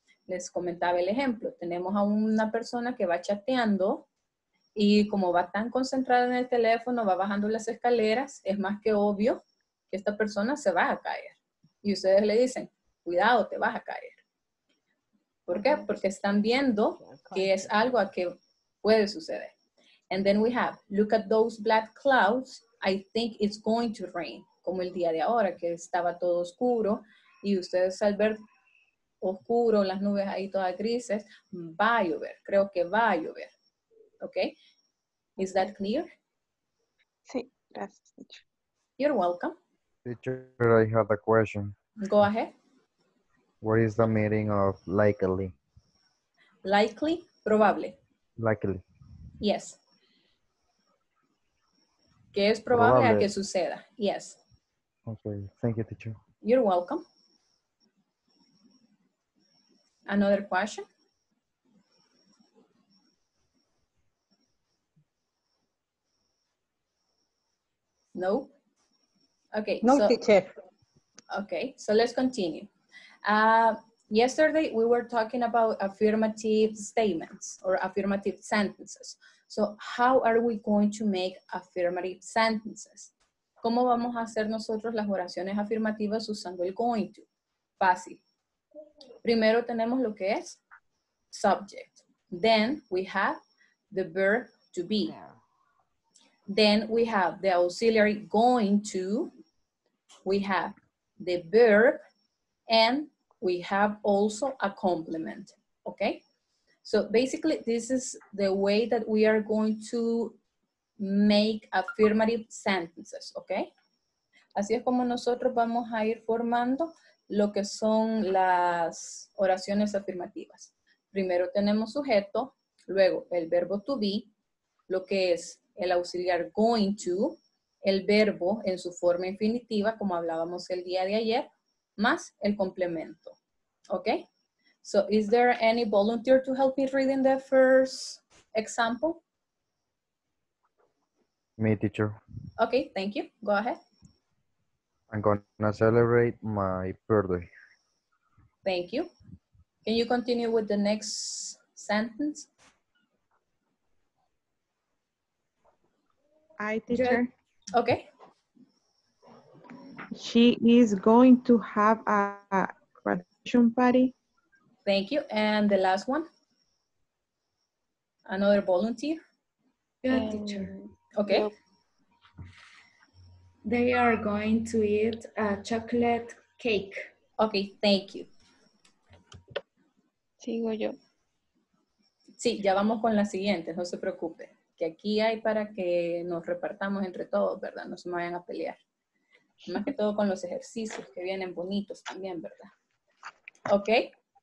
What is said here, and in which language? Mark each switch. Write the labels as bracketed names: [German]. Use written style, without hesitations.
[Spanish] Les comentaba el ejemplo, tenemos a una persona que va chateando y como va tan concentrada en el teléfono, va bajando las escaleras, es más que obvio que esta persona se va a caer. Y ustedes le dicen, cuidado, te vas a caer. ¿Por qué? Porque están viendo que es algo a que puede suceder. [English] And then we have, look at those black clouds. I think it's going to rain. [Spanish] Como el día de ahora, que estaba todo oscuro. Y ustedes al ver oscuro, las nubes ahí todas grises, va a llover. Creo que va a llover. ¿Ok? [English] Is that clear? [Spanish] Sí, gracias. [English] You're welcome. Teacher, I have a question. Go ahead. What is the meaning of likely? Likely, probable. Likely. Yes. [Spanish] Que es probable, probable a que suceda. Yes. [English] Okay. Thank you, teacher. You're welcome. Another question? No? Okay. No, so, teacher. Okay, so let's continue. Yesterday, we were talking about affirmative statements or affirmative sentences. So how are we going to make affirmative sentences? [Spanish] ¿Cómo vamos a hacer nosotros las oraciones afirmativas usando el going to? Fácil. Primero tenemos lo que es subject. [English] Then we have the verb to be. Then we have the auxiliary going to. We have the verb. And we have also a complement. Okay? So basically, this is the way that we are going to make affirmative sentences, okay? [Spanish] Así es como nosotros vamos a ir formando lo que son las oraciones afirmativas. Primero tenemos sujeto, luego el verbo to be, lo que es el auxiliar going to, el verbo en su forma infinitiva, como hablábamos el día de ayer, más el complemento, okay? [English] So, is there any volunteer to help me reading the first example? Me, teacher. Okay, thank you. Go ahead. I'm gonna celebrate my birthday. Thank you. Can you continue with the next sentence? Hi, teacher. Okay. She is going to have a graduation party. Thank you. And the last one? Another volunteer? Good, teacher. Okay. They are going to eat a chocolate cake. Okay, thank you. [Spanish] Sigo yo. Sí, ya vamos con la siguiente, no se preocupe. Que aquí hay para que nos repartamos entre todos, ¿verdad? No se me vayan a pelear. Más que todo con los ejercicios que vienen bonitos también, ¿verdad? Okay.